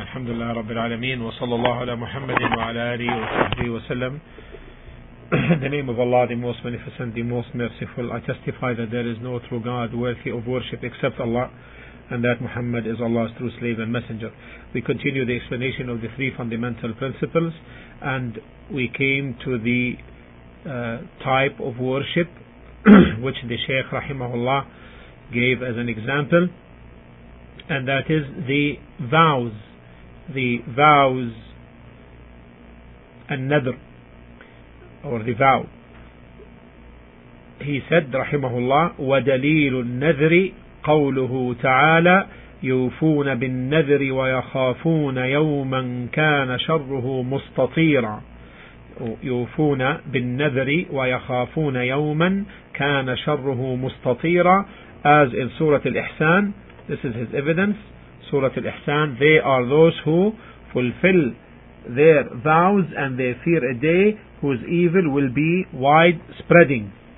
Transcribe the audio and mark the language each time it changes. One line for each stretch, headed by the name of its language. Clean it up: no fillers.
Arabic: الحمد لله رب العالمين، وصلى الله على محمد وعلى آله وصحبه وسلم.
English: In the name of Allah, the most beneficent, the most merciful, I testify that there is no true God worthy of worship except Allah, and that Muhammad is Allah's true slave and messenger. We continue the explanation of the three fundamental principles, and we came to the type of worship which the Shaykh rahimahullah gave as an example, and that is the vows, an-nadr, or the vow. He said,
Arabic: rahimahullah, وَدَلِيلُ النَّذْرِ قَوْلُهُ تَعَالَى يُوفُونَ بِالنَّذْرِ وَيَخَافُونَ يَوْمًا كَانَ شَرُّهُ مُسْتَطِيرًا. يوفون بالنذر ويخافون يوما كان شره مستطيرا.
English: As in Surah Al-Ihsan, this is his evidence. Surah Al-Ihsan, they are those who fulfill their vows and they fear a day whose evil will be wide spreading.